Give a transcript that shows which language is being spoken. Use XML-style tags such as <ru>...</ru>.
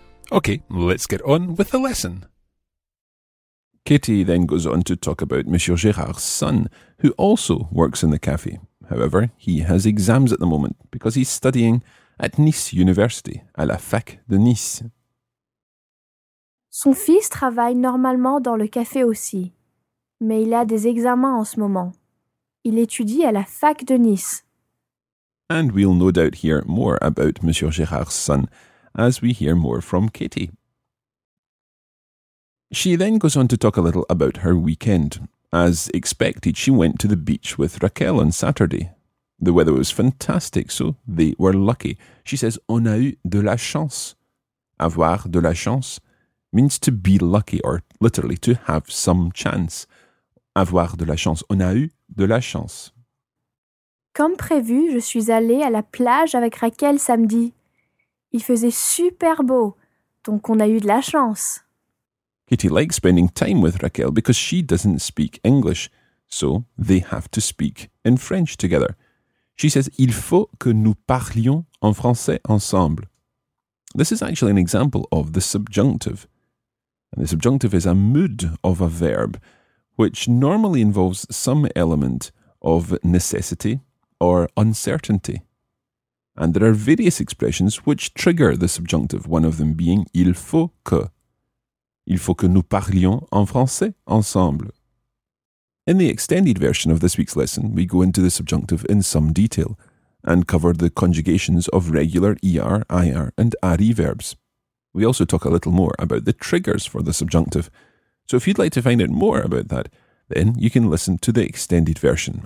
<en>Okay, let's get on with the lesson. Katie then goes on to talk about Monsieur Gérard's son, who also works in the cafe. However, he has exams at the moment because he's studying at Nice University,</en> <fr>à la Fac de Nice. Son fils travaille normalement dans le café aussi, mais il a des examens en ce moment. Il étudie à la Fac de Nice.</fr> <en>And we'll no doubt hear more about Monsieur Gérard's son as we hear more from Katie. She then goes on to talk a little about her weekend. As expected, she went to the beach with Raquel on Saturday. The weather was fantastic, so they were lucky. She says,</en> <fr>on a eu de la chance. Avoir de la chance</fr> <en>means to be lucky, or literally to have some chance.</en> <fr>Avoir de la chance, on a eu de la chance. Comme prévu, je suis allée à la plage avec Raquel samedi. Il faisait super beau, donc on a eu de la chance.</fr> <en>Katie likes spending time with Raquel because she doesn't speak English, so they have to speak in French together. She says,</en> <fr>il faut que nous parlions en français ensemble.</fr> <en>This is actually an example of the subjunctive. And the subjunctive is a mood of a verb, which normally involves some element of necessity or uncertainty. And there are various expressions which trigger the subjunctive, one of them being il faut que.</en> <fr>Il faut que nous parlions en français ensemble.</fr> <en>In the extended version of this week's lesson, we go into the subjunctive in some detail and cover the conjugations of regular er, ir, and re verbs. We also talk a little more about the triggers for the subjunctive. So if you'd like to find out more about that, then you can listen to the extended version.</en>